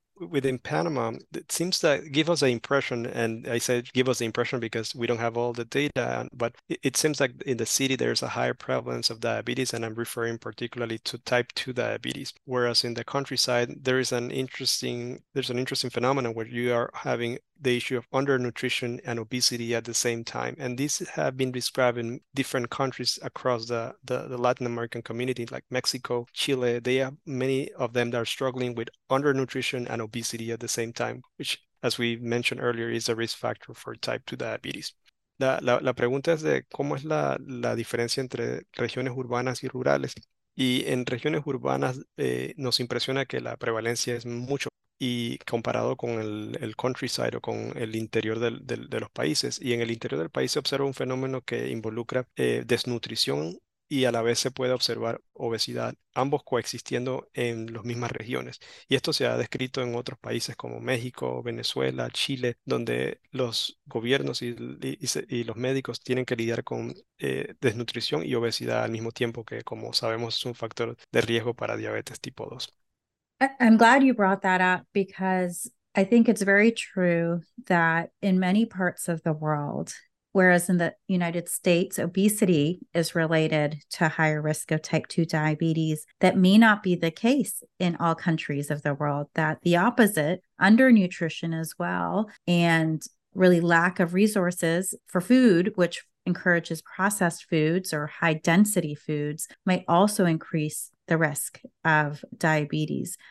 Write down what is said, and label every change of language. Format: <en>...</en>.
<en>Within Panama, it seems to give us an impression, and I said give us the impression because we don't have all the data, but it seems like in the city there's a higher prevalence of diabetes, and I'm referring particularly to type 2 diabetes, whereas in the countryside there's an interesting phenomenon where you are having the issue of undernutrition and obesity at the same time. And these have been described in different countries across the Latin American community, like Mexico, Chile. They have many of them that are struggling with undernutrition and obesity at the same time, which, as we mentioned earlier, is a risk factor for type 2 diabetes.</en> <es>La pregunta es de cómo es la diferencia entre regiones urbanas y rurales. Y en regiones urbanas nos impresiona que la prevalencia es mucho y comparado con el countryside o con el interior de los países. Y en el interior del país se observa un fenómeno que involucra desnutrición y a la vez se puede observar obesidad, ambos coexistiendo en las mismas regiones. Y esto se ha descrito en otros países como México, Venezuela, Chile, donde los gobiernos y los médicos tienen que lidiar con desnutrición y obesidad al mismo tiempo que, como sabemos, es un factor de riesgo para diabetes tipo 2.</es> <en>I'm glad you brought that up because I think it's very true that in many parts of the world, whereas in the United States, obesity is related to higher risk of type 2 diabetes, that may not be the case in all countries of the world, that the opposite, undernutrition as well, and really lack of resources for food, which encourages processed foods or high density foods, might also increase the risk of diabetes.</en>